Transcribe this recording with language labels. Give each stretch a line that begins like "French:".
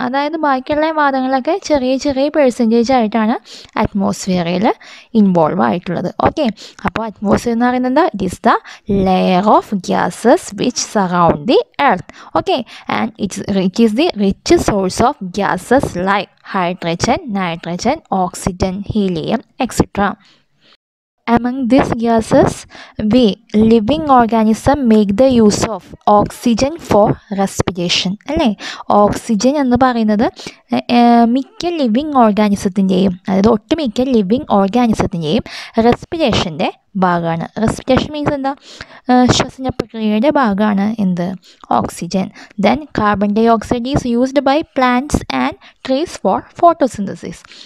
Malayalam: അതായത് ബാക്കിയുള്ള വാതകങ്ങളൊക്കെ ചെറിയ ചെറിയ പെർസെൻറ്റേജ് ആയിട്ടാണ് അറ്റ്മോസ്ഫിയറിൽ ഇൻവോൾവ് ആയിട്ടുള്ളത്.
English: okay,
Malayalam: അപ്പോൾ അറ്റ്മോസ്ഫിയർ എന്ന് പറയുന്നത്
English: It is the layer of gases which surround the earth. Okay, and it is the rich source of gases like hydrogen, nitrogen, oxygen, helium etcetera. Among these gases, we living organism make the use of oxygen for respiration.
Malayalam: അല്ലെ, oxygen എന്ന് പറയുന്നത് മിക്ക living ഓർഗാനിസത്തിൻ്റെയും, അതായത് ഒട്ടുമിക്ക living ഓർഗാനിസത്തിൻ്റെയും റെസ്പിറേഷൻ്റെ ഭാഗമാണ്. Respiration means എന്താ? ശ്വസന പ്രക്രിയയുടെ ഭാഗമാണ് എന്ത്? Oxygen.
English: Then carbon dioxide is used by plants and trees for photosynthesis.